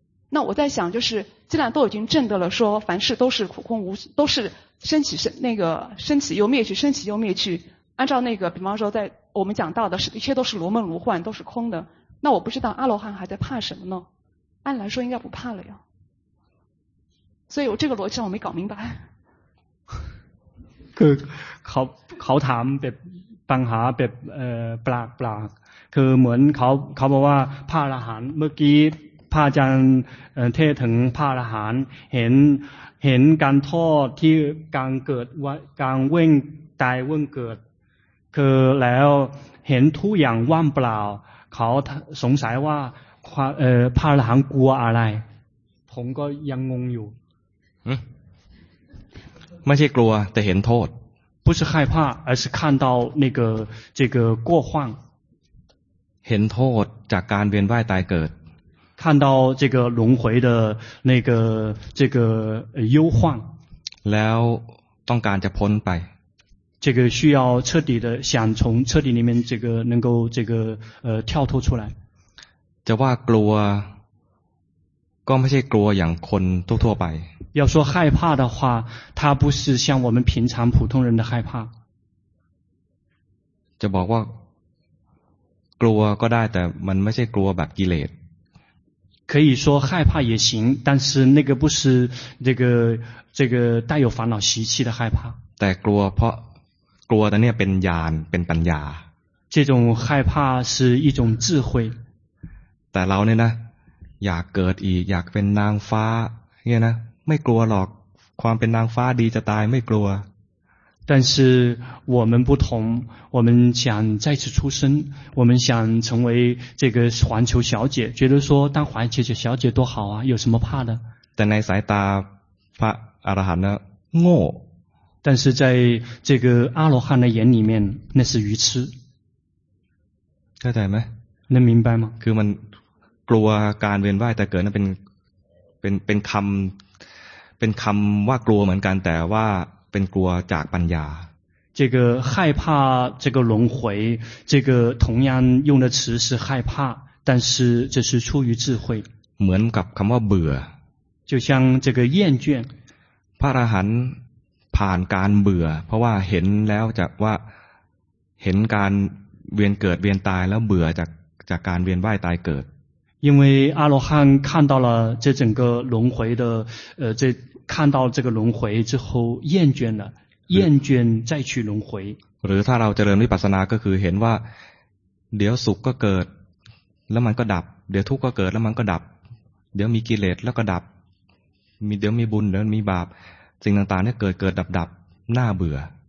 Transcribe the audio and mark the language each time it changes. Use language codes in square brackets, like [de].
[zh] 那我在想就是既然都已经证得了说凡事都是苦空无都是生起生那个生起又灭去生起又灭去按照那个比方说在我们讲到的是一切都是如梦如幻都是空的那我不知道阿罗汉还在怕什么呢按来说应该不怕了呀所以我这个逻辑我没搞明白 [th] คือเขาถามแบบปัญหาแบบปลาคือเหมือนเขาบอกว่าพระอรหันต์เมื่อกี้พระอาจารย์เทศถึงพระอรหันต์เห็นการทอดที่การเกิดการเว่งตายเว่งเกิดคือแล้วเห็นทุกอย่างว่างเปล่าเขาสงสัยว่าพระอรหันต์กลัวอะไรผมก็ยังงงอยู่ไม่ใช่กลัวแต่เห็นโทษ [zh] 不是害怕而是看到那个这个过患 [th] เห็นโทษจากการเวียนว่ายตายเกิด [zh] 看到这个轮回的那个这个忧患 [th] แล้วต้องการจะพ้นไป [zh] 这个需要彻底的想从彻底里面这个能够这个跳脱出来 [th] จะว่ากลัวก็ไม่ใช่กลัวอย่างคนทั่วไป [zh] 要说害怕的话它不是像我们平常普通人的害怕 [th] จะบอกว่ากลัวก็ได้แต่มันไม่ใช่กลัวแบบกิเลส [zh] 可以说害怕也行但是那个不是这个带有烦恼习气的害怕 [th] แต่กลัวเพราะกลัวแต่เนี่ยเป็นญาณเป็นปัญญา [zh] 这种害怕是一种智慧 [th] แต่เราเนี่ยนะอยากเกิดอีกอยากเป็นนางฟ้าเนี่ยนะไม่กลัวหรอกความเป็นนางฟ้าดีจะตายไม่กลัว [zh] 但是我们不同我们想再次出生我们想成为这个环球小姐觉得说当环球小姐多好啊有什么怕的但 [th] ในสายตาพระอรหันต์นะโง่ [zh] 但是在这个阿罗汉的眼里面那是愚痴 [th] เข้าใจไหม [zh] 能明白吗 [th] คือมันกลัวการเวียนว่ายแต่เกิดนั้นเป็นคำเป็นคำว่ากลัวเหมือนกันแต่ว่าเป็นกลัวจากปัญญา [zh] 这个害怕这个轮回这个同样用的词是害怕但是这是出于智慧 [th] เหมือนกับคำว่าเบื่อ [zh] 就像这个厌倦 [th] พระอรหันต์ผ่านการเบื่อเพราะว่าเห็นแล้วจากว่าเห็นการเวียนเกิดเวียนตายแล้วเบื่อจากการเวียนว่ายตายเกิด [zh] 因为阿罗汉看到了这整个轮回的这看到这个轮回之后厌倦了厌倦再去轮回 [th] หรือถ้าเราเจริญวิปัสสนาก็คือเห็นว่าเดี๋ยวสุขก็เกิดแล้วมันก็ดับเดี๋ยวทุกข์ก็เกิดแล้วมันก็ดับเดี๋ยวมีกิเลสแล้วก็ดับมีเดี๋ยวมีบุญเดี๋ยวมีบาปสิ่งต่างๆเนี่ยเกิดดับดับน่าเบื่อ